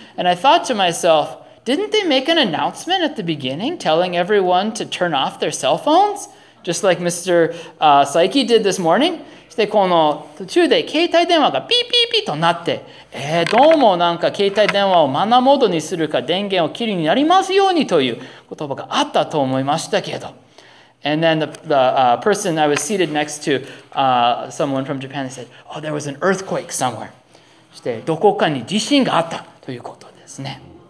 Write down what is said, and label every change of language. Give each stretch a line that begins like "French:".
English: And I thought to myself,Didn't they make an announcement at the beginning telling everyone to turn off their cell phones? Just like Mr. Saiki did this morning.
Japanese: してこの途中で携帯電話がピーピーピーとなって、どうもなんか携帯電話をマナーモードにするか電源を切りになりますようにという言葉があったと思いましたけど。
English: And then the person I was seated next to, someone from Japan, said, Oh, there was an earthquake somewhere.
Japanese: してどこかに地震があったということですね。